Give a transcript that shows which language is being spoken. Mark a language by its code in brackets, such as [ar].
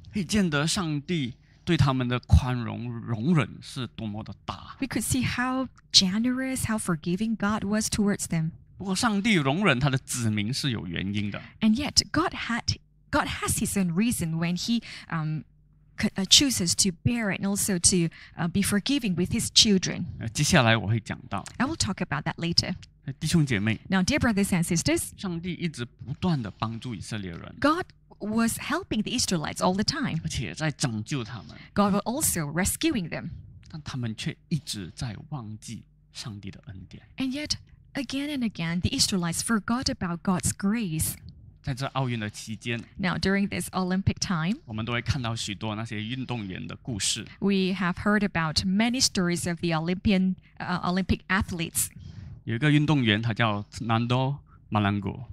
[zh] 可以见得上帝对他们的宽容、容忍是多么的大。 [en] We could see how generous, how forgiving God was towards them. [zh] 不过，上帝容忍他的子民是有原因的。 [en] And yet, God has His own reason when He chooses to bear it and also to be forgiving with His children. [zh] 接下来我会讲到。 [en] I will talk about that later. [zh] 弟兄姐妹。 [en] Now, dear brothers and sisters. [zh] 上帝一直不断地帮助以色列人。 [en] God was helping the Israelites all the time. [zh] 而且在拯救他们。 [en] God was also rescuing them. [zh] 但他们却一直在忘记上帝的恩典。 [en] And yet, again and again, the Israelites forgot about God's grace. [zh] 在这奥运的期间。 [en] Now, during this Olympic time, [zh] 我们都会看到许多那些运动员的故事。 [en] We have heard about many stories of the Olympic athletes. [zh] 有一个运动员，他叫 Nando Malango.